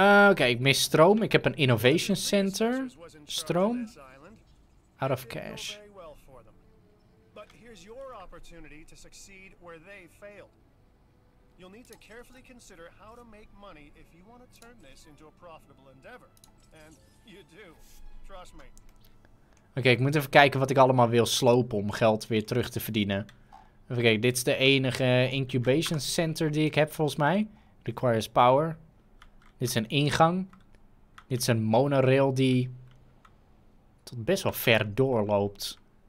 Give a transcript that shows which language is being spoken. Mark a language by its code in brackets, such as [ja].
[nl] Oké, ik mis stroom. Ik heb een innovation center. Stroom. [en] Out of cash. But here's your opportunity to succeed where they failed. You'll need to carefully consider how to make money if you want to turn this into a profitable endeavor. And you do. Trust me. [nl] Oké, ik moet even kijken wat ik allemaal wil slopen om geld weer terug te verdienen. Even kijken, dit is de enige incubation center die ik heb volgens mij. [en] Requires power. [nl] Dit is een ingang. Dit is een monorail die tot best wel ver doorloopt.